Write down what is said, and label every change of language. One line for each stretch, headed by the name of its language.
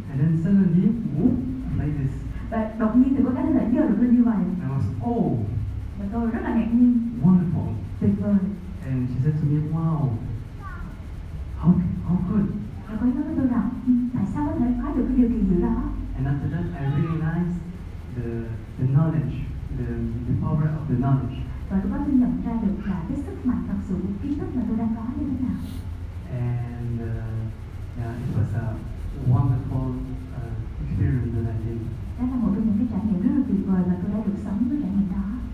English: And then suddenly, whoop, like this.
Vietnamese: Và đột nhiên thì cô ấy có thể giơ được lên như vậy.
English: And I was, oh.
Vietnamese: Và tôi rất là ngạc nhiên.
English: Wonderful.
Vietnamese: Tuyệt vời.
English: And she said to me, wow. How good.
Vietnamese: Và cô ấy nói với tôi rằng, tại sao có thể có được cái điều kỳ diệu đó?
English: And after that, I realized the knowledge, the power of the knowledge.
Vietnamese: Và tôi bắt đầu nhận ra được là cái sức mạnh thật sự của kiến thức mà tôi đang có như thế nào.
English: And it was a wonderful experience that I did.
Vietnamese: Đó là một trong những cái trải nghiệm rất là tuyệt vời mà tôi đã được sống với trải nghiệm đó.